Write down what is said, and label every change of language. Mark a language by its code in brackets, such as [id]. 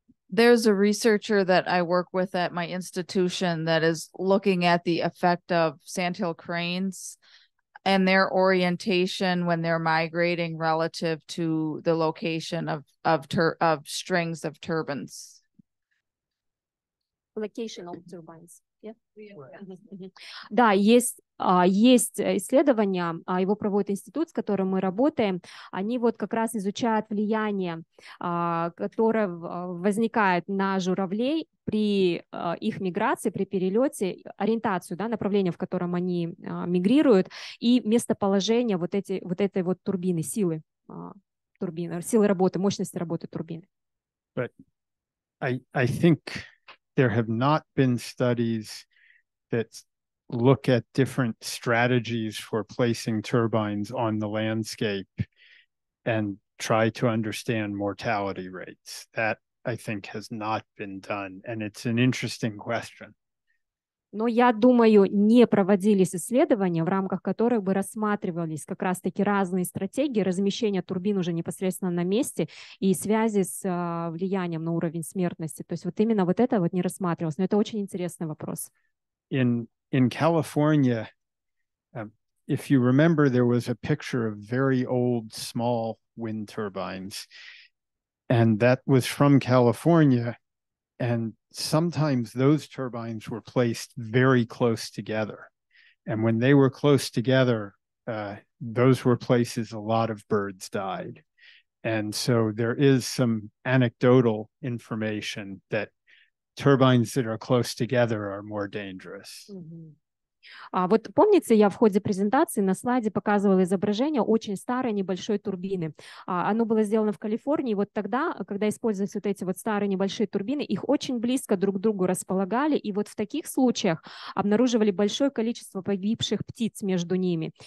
[en] There's a researcher that I work with at my institution that is looking at the effect of sandhill cranes and their orientation when they're migrating relative to the location of strings of turbines. Location of turbines. Yeah. Right. [ru] Да, есть исследования, его проводит институт, с которым мы работаем. Они вот как раз изучают влияние, которое возникает на журавлей при их миграции, при перелете, ориентацию, да, направление, в котором они мигрируют, и местоположение вот этой турбины, силы работы, мощности работы турбины. [en] But I think there have not been studies that look at different strategies for placing turbines on the landscape and try to understand mortality rates. That, I think, has not been done. And it's an interesting question. [ru] Но я думаю, не проводились исследования, в рамках которых бы рассматривались как раз-таки разные стратегии размещения турбин уже непосредственно на месте и связи с влиянием на уровень смертности. То есть вот именно вот это вот не рассматривалось. Но это очень интересный вопрос. [en] In California, if you remember, there was a picture of very old, small wind turbines, and that was from California. And sometimes those turbines were placed very close together. And when they were close together, those were places a lot of birds died. And so there is some anecdotal information that turbines that are close together are more dangerous. Mm-hmm. [ru] А вот помните, я в ходе презентации на слайде показывала изображение очень старой небольшой турбины. Оно было сделано в Калифорнии. Вот тогда, когда использовались вот эти вот старые небольшие турбины, их очень близко друг к другу располагали. И вот в таких случаях обнаруживали большое количество погибших птиц между ними.